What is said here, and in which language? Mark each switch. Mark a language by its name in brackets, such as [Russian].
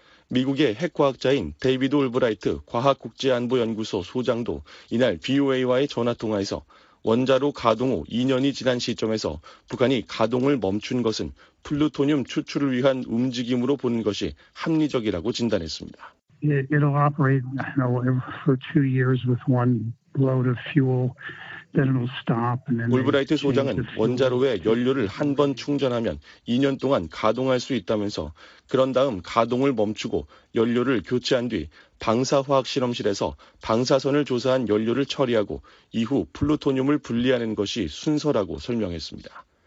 [Korean] 미국의 핵과학자인 데이비드 올브라이트 과학국제안보연구소 소장도 이날 VOA와의 전화통화에서 원자로 가동 후 2년이 지난 시점에서 북한이 가동을 멈춘 것은 플루토늄 추출을 위한 움직임으로 보는 것이 합리적이라고 진단했습니다. [English] It'll operate, I don't know, for two years with one load of fuel. [Korean] 올브라이트 소장은 원자로에 연료를 한 번 충전하면 2년 동안 가동할 수 있다면서 그런 다음 가동을 멈추고 연료를 교체한 뒤 방사화학 실험실에서 방사선을 조사한 연료를 처리하고 이후 플루토늄을 분리하는 것이 순서라고 설명했습니다.